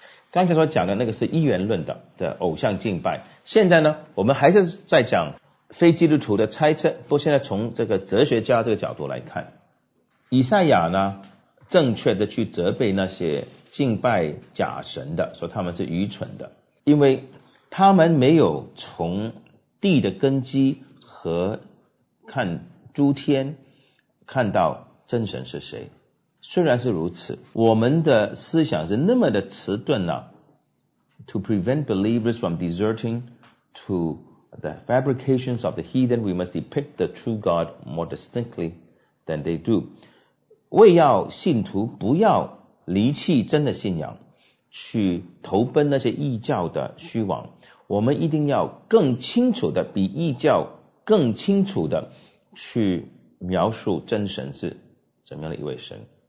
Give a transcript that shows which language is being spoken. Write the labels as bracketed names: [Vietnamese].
[Chinese] 刚才所讲的那个是一元论的偶像敬拜，现在呢我们还是在讲非基督徒的猜测，不过现在从这个哲学家这个角度来看，以赛亚呢正确的去责备那些敬拜假神的，说他们是愚蠢的，因为他们没有从地的根基和看诸天看到真神是谁。虽然是如此，我们的思想是那么的迟钝了。 [English] To prevent believers from deserting to the fabrications of the heathen, we must depict the true God more distinctly than they do. [Chinese] 为要信徒不要离弃真的信仰，去投奔那些异教的虚妄，我们一定要更清楚的，比异教更清楚的去描述真神是怎么样的一位神。